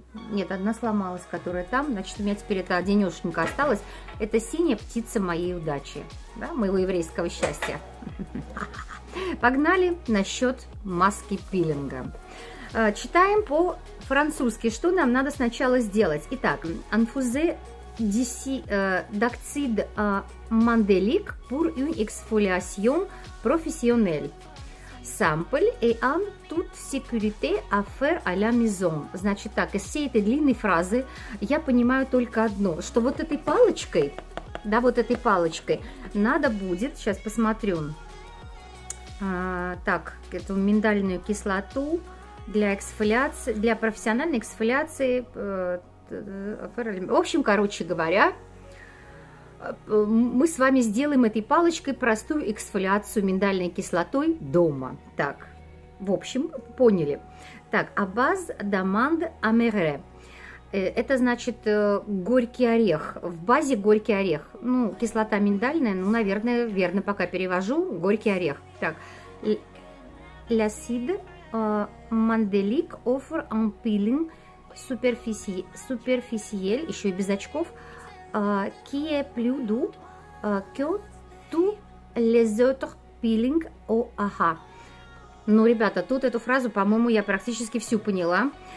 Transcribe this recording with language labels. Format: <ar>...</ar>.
<ru>Нет, одна сломалась, которая там, значит, у меня теперь это одинешенька осталась. Это синяя птица моей удачи, да, моего еврейского счастья. Погнали насчет маски пилинга. Читаем по-французски, что нам надо сначала сделать.</ru> <fr>Итак, «Infuse d'acide mandélique pour une exfoliation professionnelle. Sample et en toute sécurité à faire à la maison».</fr> <ru>Значит так, из всей этой длинной фразы я понимаю только одно, что вот этой палочкой, да, вот этой палочкой надо будет, сейчас посмотрю, так, эту миндальную кислоту для эксфолиации, для профессиональной эксфолиации. В общем, короче говоря, мы с вами сделаем этой палочкой простую эксфолиацию миндальной кислотой дома. Так, в общем, поняли. Так,</ru> <fr>«Abaz d'amand amere».</fr> <ru>Это значит «горький орех», в базе «горький орех». Ну, кислота миндальная, ну, наверное, верно, пока перевожу, «горький орех». Так.</ru> <fr>L'acide mandélique offre un peeling superficiel,</fr> <ru>еще и без очков,</ru> <fr>qui est plus doux que tous les autres peelings au aha.</fr> <ru>Ну, ребята, тут эту фразу, по-моему, я практически всю поняла.</ru>